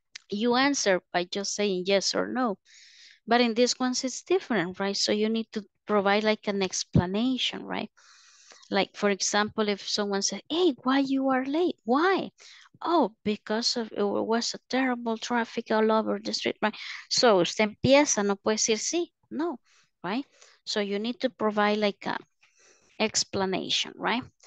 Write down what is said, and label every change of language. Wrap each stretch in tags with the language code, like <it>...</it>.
<en>You answer by just saying yes or no. But in this one, it's different, right? So you need to provide like an explanation, right? Like, for example, if someone says, hey, why you are late? Why? Oh, because of it was a terrible traffic all over the street, right?</en> <es>So, usted empieza, no puede decir sí, no, right?</es> <en>So, you need to provide like an explanation, right?</en>